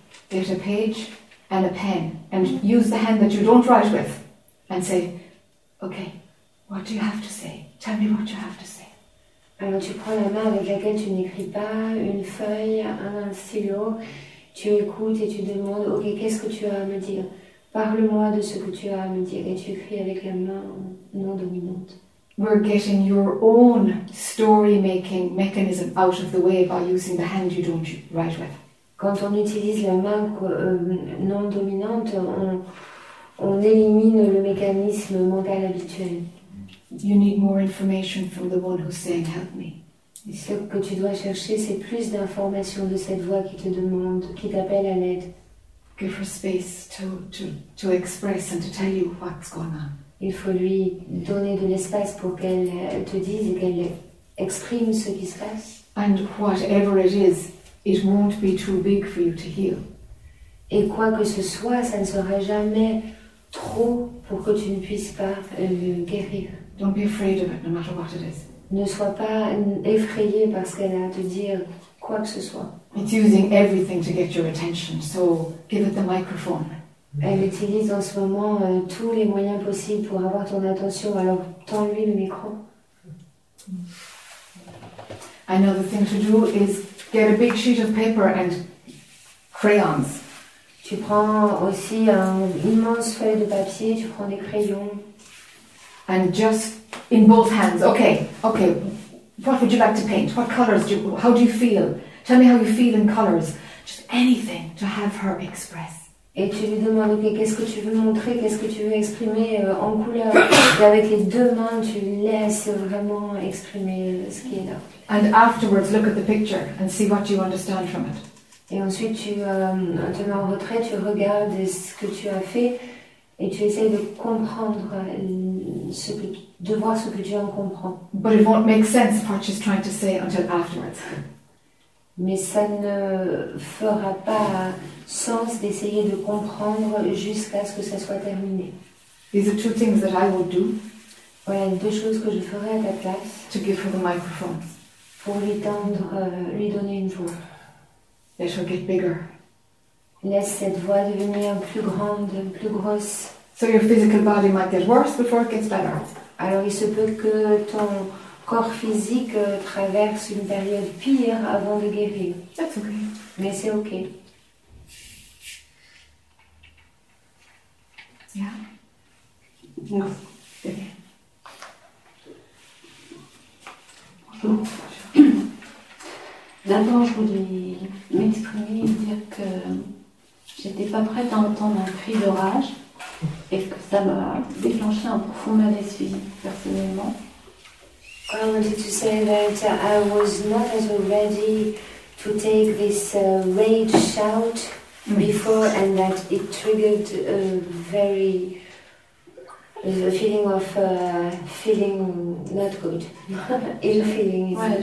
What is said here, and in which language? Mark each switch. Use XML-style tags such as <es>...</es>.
<en>Get a page and a pen and use the hand that you don't write with and say, okay, what do you have to say? Tell me what you have to say.</en> <fr>Alors tu prends la main avec laquelle tu n'écris pas, une feuille, un stylo, tu écoutes et tu demandes, ok, qu'est-ce que tu as à me dire? Parle-moi de ce que tu as à me dire. Et tu écris avec la main non dominante.</fr> <en>We're getting your own story-making mechanism out of the way by using the hand you don't write with.</en> <fr>Quand on utilise la main non dominante, on élimine le mécanisme mental habituel.</fr> <en>You need more information from the one who's saying, "Help me."</en> <fr>Et ce que tu dois chercher, c'est plus d'informations de cette voix qui te demande, qui t'appelle à l'aide.</fr> <en>Give her space to express and to tell you what's going on.</en> <fr>Il faut lui donner de l'espace pour qu'elle te dise et qu'elle exprime ce qui se passe.</fr> <en>And whatever it is, it won't be too big for you to heal.</en> <fr>Et quoi que ce soit, ça ne sera jamais trop pour que tu ne puisses pas guérir.</fr> <en>Don't be afraid of it, no matter what it is.</en> <fr>Ne sois pas effrayé par ce qu'elle a à te dire, quoi que ce soit.</fr> <en>It's using everything to get your attention, so give it the microphone.</en> <fr>Elle utilise en ce moment tous les moyens possibles pour avoir ton attention, alors tends-lui le micro.</fr> <en>Another thing to do is get a big sheet of paper and crayons.</en> <fr>Tu prends aussi un immense feuille de papier, tu prends des crayons.</fr> <en>And just in both hands, okay, what would you like to paint? What colors do you, how do you feel? Tell me how you feel in colors. Just anything to have her express.</en> <fr>Et tu lui demandes, okay, qu'est-ce que tu veux montrer, qu'est-ce que tu veux exprimer en couleur. Et avec les deux mains, tu laisses vraiment exprimer ce qui est là.</fr> <en>And afterwards, look at the picture and see what you understand from it.</en> <fr>Et ensuite, tu te mets en retrait, tu regardes ce que tu as fait et tu essaies de comprendre, de voir ce que tu en comprends.</fr> <en>But it won't make sense of what she's trying to say until afterwards.</en> <fr>Mais ça ne fera pas sens d'essayer de comprendre jusqu'à ce que ça soit terminé.</fr> <en>These are two things that I would do.</en> <fr>Voilà deux choses que je ferai à ta place.</fr> <en>To give her the microphone.</en> <fr>Pour lui tendre, lui donner une voix.</fr> <en>Let her get bigger.</en> <fr>Laisse cette voix devenir plus grande, plus grosse.</fr> <en>So your physical body might get worse before it gets better.</en> <fr>Alors il se peut que ton corps physique traverse une période pire avant de guérir.</fr> <en>That's okay.</en> <fr>Mais c'est ok.</fr> <en>Yeah. Yeah.</en> <fr>D'abord, je voulais m'exprimer et dire que j'étais pas prête à entendre un cri de rage et que ça m'a déclenché un profond malaise physique, personnellement.</fr> <en>I wanted to say that I was not as ready to take this rage shout before, and that it triggered a very a feeling of feeling not good, ill feeling.</en>